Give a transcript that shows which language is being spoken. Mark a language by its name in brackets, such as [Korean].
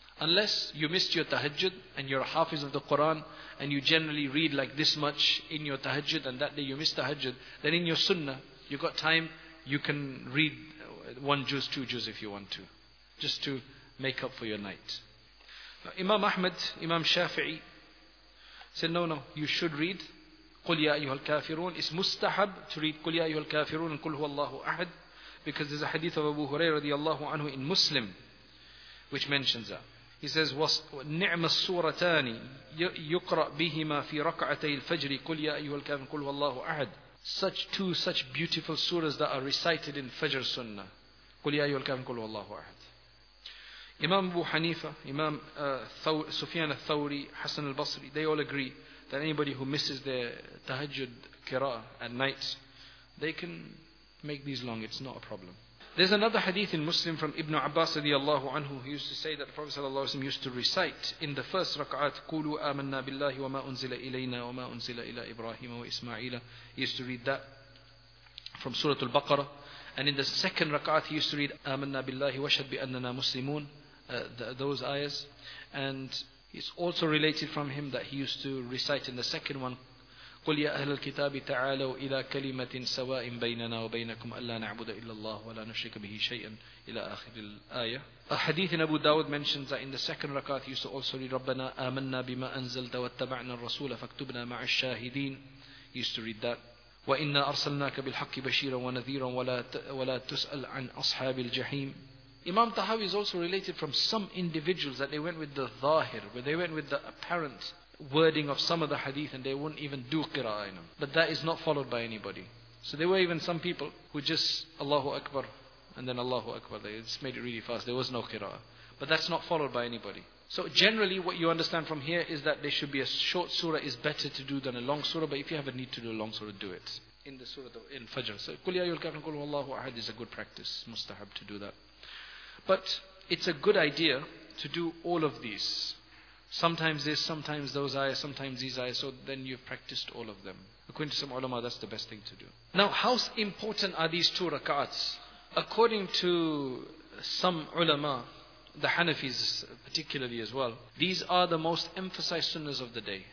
[English] Unless you missed your tahajjud and you're a hafiz of the Qur'an and you generally read like this much in your tahajjud and that day you missed tahajjud, then in your sunnah, you've got time, you can read one juz, two juz if you want to. Just to make up for your night. Now, Imam Ahmad, Imam Shafi'i, said, no, you should read [Arabic] قُلْ يَا أَيُّهَا الْكَافِرُونَ. [English] It's mustahab to read [Arabic] قُلْ يَا أَيُّهَا الْكَافِرُونَ [English] and [Arabic] قُلْ هُوَ اللَّهُ أَحَدْ. [English] Because there's a hadith of Abu Hurairah radiallahu anhu in Muslim, which mentions that. He says, [Arabic] وَنِعْمَ السُّورَتَانِ يُقْرَأْ بِهِمَا فِي رَكْعَتَيِ الْفَجْرِ قُلْ يَا أَيُّهَا الْكَافِرُونَ قُلْ هُوَ اللَّهُ أَحَدْ. [English] Such two such beautiful surahs that are recited in Fajr Sunnah. [Arabic] قُلْ يَا أَيُّهَا الْكَافِرُونَ قُلْ هُوَ اللَّهُ أَحَدْ. [English] Imam Abu Hanifa, Imam Sufyan al-Thawri, Hassan al-Basri, they all agree that anybody who misses their tahajjud qira'ah at night, they can make these long, it's not a problem. There's another hadith in Muslim from Ibn Abbas radiyallahu anhu, who used to say that the Prophet sallallahu alayhi wa sallam used to recite in the first rak'at, [Arabic] قُولُوا آمَنَّا بِاللَّهِ وَمَا أُنزِلَ إِلَيْنَا وَمَا أُنزِلَ إِلَىٰ إِبْرَاهِيمَ وَإِسْمَعِيلَ. [English] He used to read that from Surah Al-Baqarah. And in the second rak'at, he used to read, [Arabic] آمَنَّا بِاللَّهِ وَشَدْ بِأَنَّنَا مُسْلِمُونَ. [English] Those ayahs. And it's also related from him that he used to recite in the second one, [Arabic] قُلْ يَا أَهْلَ الْكِتَابِ تَعَالَوْا إِلَىٰ كَلِمَةٍ سَوَاءٍ بَيْنَنَا وَبَيْنَكُمْ أَلَّا نَعْبُدَ إِلَّا اللَّهُ وَلَا نُشْرِكَ بِهِ شَيْئًا إِلَىٰ آخِرِ الْآيَةِ. [English] A hadith in Abu Dawud mentions that in the second rakat he used to also read [Arabic] رَبَّنَا آمَنَّا بِمَا أَنزَلْتَ وَاتَّبَعْنَا الرَّسُولَ فَاكْتُبْنَا مَعَ الشَّاهِدِينَ. [English] He used to read that. [Arabic] وَإِنَّا أَرْسَلْنَاكَ بِالْحَقِّ بَشِيرًا وَنَذِيرًا وَلَا تُسْأَلْ عَنْ أَصْحَابِ الْجَحِيمِ. [English] Imam Tahawi is also related from some individuals that they went with the ظاهر, where they went with the apparent wording of some of the hadith and they wouldn't even do qira'ah in them. But that is not followed by anybody. So there were even some people who just Allahu Akbar and then Allahu Akbar. They just made it really fast. There was no qira'ah. But that's not followed by anybody. So generally what you understand from here is that there should be a short surah is better to do than a long surah. But if you have a need to do a long surah, do it. In the surah, in Fajr. So [Arabic] قُلْ يَا أَيُّهَا الْكَافِرُونَ قُلْ هُوَ اللَّهُ أَحَدْ [English] is a good practice. Mustahab to do that. But it's a good idea to do all of these. Sometimes this, sometimes those ayahs, sometimes these ayahs. So then you've practiced all of them. According to some ulama, that's the best thing to do. Now, how important are these two rak'ats? According to some ulama, the Hanafis particularly as well, these are the most emphasized sunnahs of the day.